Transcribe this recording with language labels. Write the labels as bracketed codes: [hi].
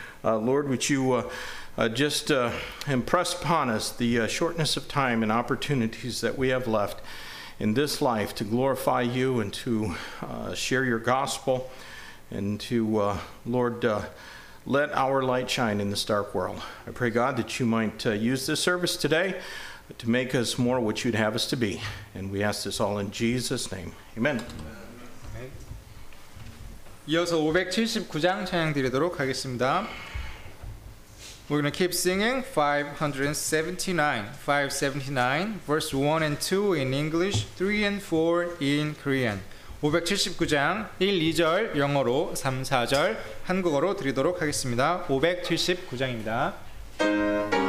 [en] Lord, would you impress upon us the shortness of time and opportunities that we have left in this life to glorify you and to share your gospel and to, Lord, let our light shine in this dark world. I pray, God, that you might use this service today to make us more what you'd have us to be. And we ask this all in Jesus' name. Amen. [ko] 이어서 579장 찬양드리도록 하겠습니다. [en] We're going to keep singing 579 verse 1 and 2 in English, 3 and 4 in Korean. [ko] 579장 1, 2절 영어로, 3, 4절 한국어로 드리도록 하겠습니다. 579장입니다.